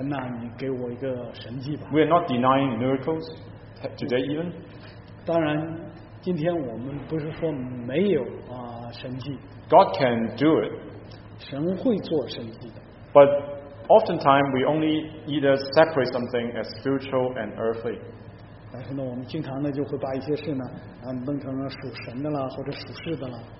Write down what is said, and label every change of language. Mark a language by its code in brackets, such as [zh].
[zh] 你就坐在那，你在等啊，神呐，你给我一个神迹吧。 [en] We are not denying miracles today even. [zh] 当然，今天我们不是说没有神迹。 [en] God can do it. [zh] 神会做神迹的。 [en] But oftentimes we only either separate something as spiritual and earthly. [zh] 但是呢，我们经常呢就会把一些事呢，弄成了属神的了，或者属世的了。